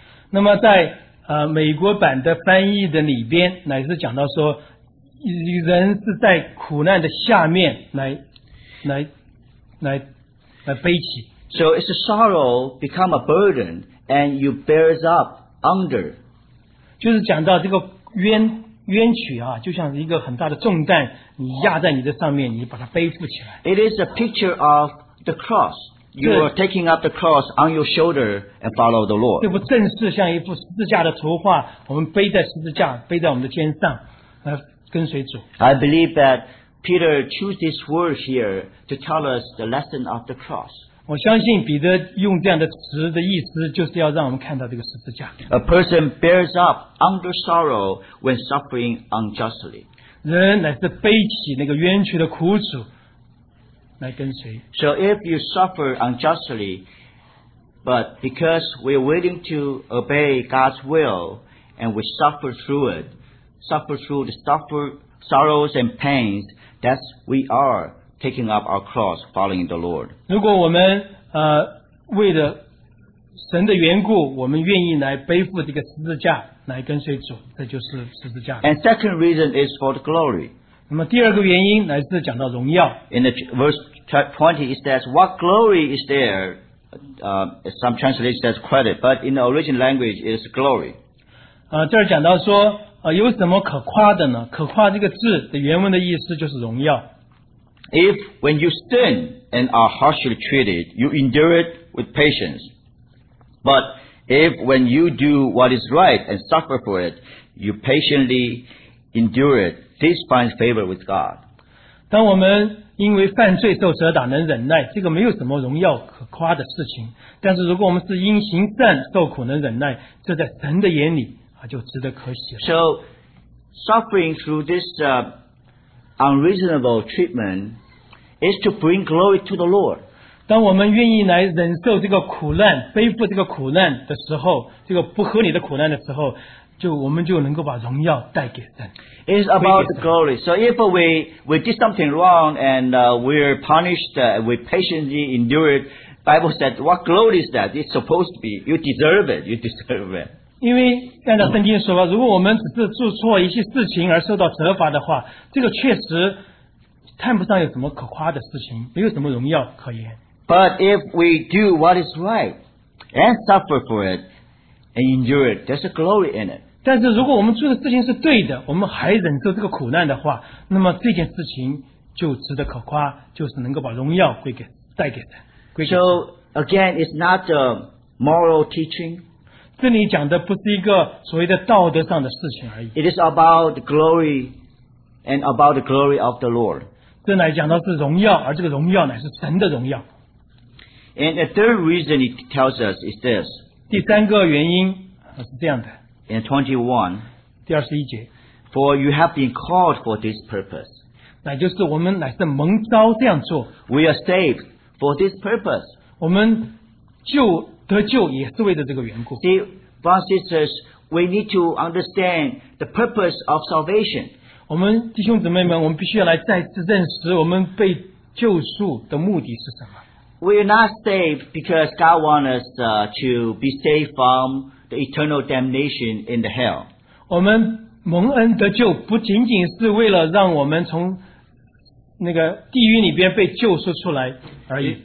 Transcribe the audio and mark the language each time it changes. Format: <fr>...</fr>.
<zh>那么在美国版的翻译的里边乃是讲到说人是在苦难的下面来背起</zh> <en>So it's a sorrow become a burden and you bear it up under</en> <zh>就是讲到这个冤屈啊就像一个很大的重担你压在你的上面你把它背负起来</zh> <en>It is a picture of the crossYou are taking up the cross on your shoulder and follow the Lord.</en> <zh>这不正是像一幅十字架的图画，我们背在十字架，背在我们的肩上，来跟随主。</zh> <en>I believe that Peter chose this word here to tell us the lesson of the cross.</en> <zh>我相信彼得用这样的词的意思就是要让我们看到这个十字架。</zh> <en>A person bears up under sorrow when suffering unjustly.</en> <zh>人乃是背起那个冤屈的苦楚来跟随。</zh> <en>So if you suffer unjustly, but because we're willing to obey God's will, and we suffer through it, suffer through the sorrows and pains, that's we are taking up our cross, following the Lord.</en> <zh>如果我们为了神的缘故，我们愿意来背负这个十字架来跟随主，这就是十字架。</zh> <en>And second reason is for the glory.</en> <zh>那么第二个原因乃是讲到荣耀。</zh> <en>In the verse 20, it says, "What glory is there?" Some translation says credit, but in the original language, it's glory.</en> <zh>这儿讲到说有什么可夸的呢？可夸这个字的原文的意思就是荣耀。</zh> <en>If when you sin and are harshly treated, you endure it with patience. But if when you do what is right and suffer for it, you patiently endure it, this finds favor with God.</en> <zh>当我们因为犯罪受责打能忍耐，这个没有什么荣耀可夸的事情。但是如果我们是因行善受苦能忍耐，这在神的眼里就值得可喜了。</zh> <en>So, suffering through this unreasonable treatment is to bring glory to the Lord.</en> <zh>当我们愿意来忍受这个苦难，背负这个苦难的时候，这个不合理的苦难的时候，就我们就能够把荣耀带给神。</zh> <en>It's about the glory. So if we did something wrong and we're punished, we patiently endure it, Bible said, what glory is that? It's supposed to be. You deserve it.</en> <zh>因为按照圣经说吧，如果我们只是做错一些事情而受到责罚的话，这个确实谈不上有什么可夸的事情，没有什么荣耀可言。</zh> <en>But if we do what is right and suffer for it and endure it, there's a glory in it.</en> <zh>但是如果我们做的事情是对的，我们还忍受这个苦难的话，那么这件事情就值得可夸，就是能够把荣耀归给带给神。</zh> <en>So again, it's not a moral teaching.</en> <zh>这里讲的不是一个所谓的道德上的事情而已。</zh> <en>It is about glory and about the glory of the Lord.</en> <zh>这乃讲到是荣耀，而这个荣耀乃是神的荣耀。</zh> <en>And the third reason it tells us is this.</en> <zh>第三个原因是这样的。</zh> <en>In 21,</en> <zh>第二十一节。</zh> <en>For you have been called for this purpose.</en> <zh>乃就是我们乃是蒙召这样做。</zh> <en>We are saved for this purpose.</en> <zh>我们就得救也是为了这个缘故。</zh> <en>See, brothers and sisters, we need to understand the purpose of salvation.</en> <zh>我们弟兄姊妹们，我们必须要来再次认识我们被救赎的目的是什么。</zh> <en>We are not saved because God wants us to be saved from the eternal damnation in the hell.</en> <zh>我们蒙恩得救不仅仅是为了让我们从那个地狱里边被救赎出来而已。</zh>